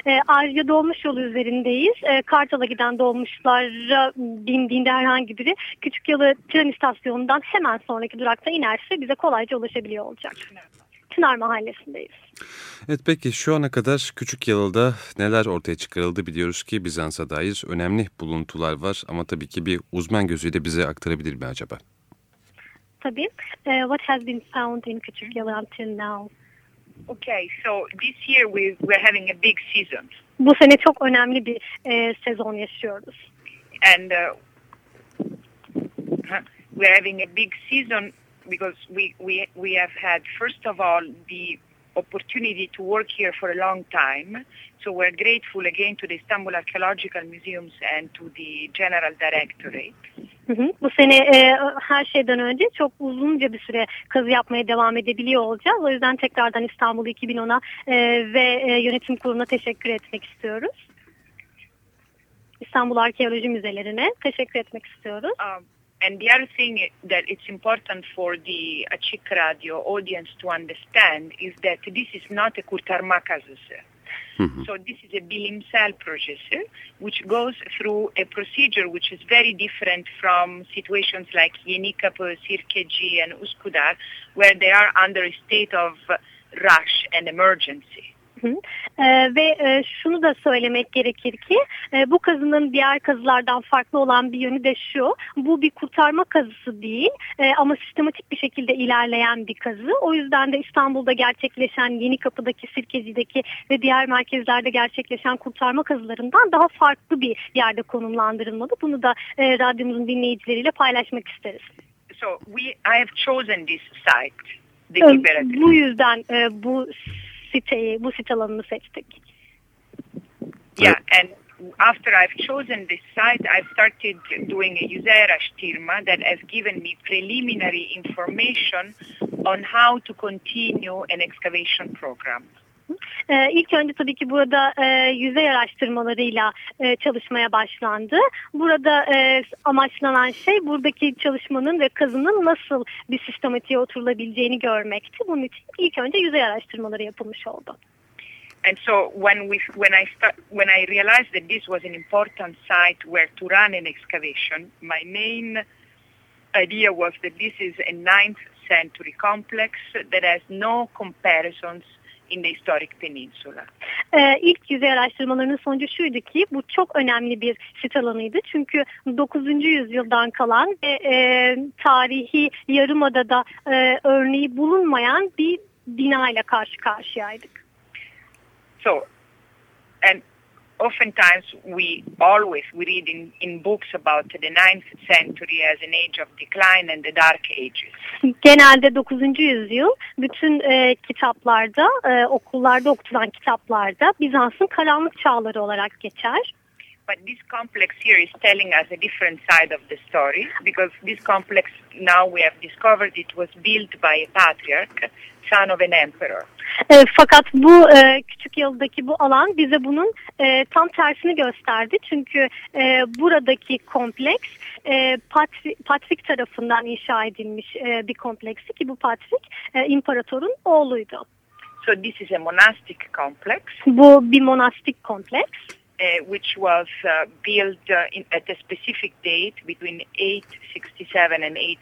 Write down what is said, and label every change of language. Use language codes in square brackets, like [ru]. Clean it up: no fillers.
[tr] Ayrıca Dolmuş Yolu üzerindeyiz. Kartal'a giden dolmuşlara bindiğinde herhangi biri Küçükyalı tren istasyonundan hemen sonraki durakta inerse bize kolay ulaşabiliyor olacak. Çınar Mahallesi'ndeyiz. Evet, peki şu ana kadar Küçükyalı'da neler ortaya çıkarıldı biliyoruz ki Bizans'a dair önemli buluntular var ama tabii ki bir uzman gözüyle bize aktarabilir mi acaba? Tabii. [en] What has been found in Küçükyalı until now? Okay, so this year we're having a big season. [tr] Bu sene çok önemli bir sezon yaşıyoruz. [en] And we're having a big season because we have had first of all the opportunity to work here for a long time. So we're grateful again to the Istanbul Archaeological Museums and to the General Directorate. [tr] Bu sene her şeyden önce çok uzunca bir süre kazı yapmaya devam edebiliyor olacağız. O yüzden tekrardan İstanbul 2010'a ve yönetim kuruluna teşekkür etmek istiyoruz. İstanbul Arkeoloji Müzelerine teşekkür etmek istiyoruz. [en] And the other thing that it's important for the Açık Radyo audience to understand is that this is not a [tr] kurtarma kazısı. [en] So this is a [tr] bilimsel projesi, [en] which goes through a procedure which is very different from situations like Yenikapı, Sirkeci and Üsküdar, where they are under a state of rush and emergency. [tr] Ve şunu da söylemek gerekir ki bu kazının diğer kazılardan farklı olan bir yönü de şu. Bu bir kurtarma kazısı değil ama sistematik bir şekilde ilerleyen bir kazı. O yüzden de İstanbul'da gerçekleşen Yenikapı'daki, Sirkeci'deki ve diğer merkezlerde gerçekleşen kurtarma kazılarından daha farklı bir yerde konumlandırılmalı. Bunu da radyomuzun dinleyicileriyle paylaşmak isteriz. [en] So I have chosen this site. [tr] Bu yüzden bu site alanını seçtik. [en] Yeah, and after I've chosen this site, I've started doing a user estimate that has given me preliminary information on how to continue an excavation program. [tr] İlk önce tabii ki burada yüzey araştırmalarıyla çalışmaya başlandı. Burada amaçlanan şey buradaki çalışmanın ve kazının nasıl bir sistematiğe oturulabileceğini görmekti. Bunun için ilk önce yüzey araştırmaları yapılmış oldu. [en] And so when I realized that this was an important site where to run an excavation, my main idea was that this is a 9th century complex that has no comparisons in the historic peninsula. [tr] İlk yüzey araştırmalarının sonucu şuydu ki bu çok önemli bir sit alanıydı. Çünkü 9. yüzyıldan kalan tarihi yarımadada örneği bulunmayan bir bina ile karşı karşıyaydık. [en] So and oftentimes we read in books about the 9th century as an age of decline and the dark ages. [tr] Genelde 9. yüzyıl bütün kitaplarda, okullarda okutulan kitaplarda Bizans'ın karanlık çağları olarak geçer. [en] But this complex here is telling us a different side of the story because this complex now we have discovered it was built by a patriarch, son of an emperor. [tr] Fakat bu küçük yıldaki bu alan bize bunun tam tersini gösterdi. Çünkü buradaki kompleks Patrik tarafından inşa edilmiş bir kompleksi ki bu Patrik imparatorun oğluydu. [en] So this is a monastic complex. [tr] Bu bir monastik kompleks. [en] Which was built at a specific date between 867 and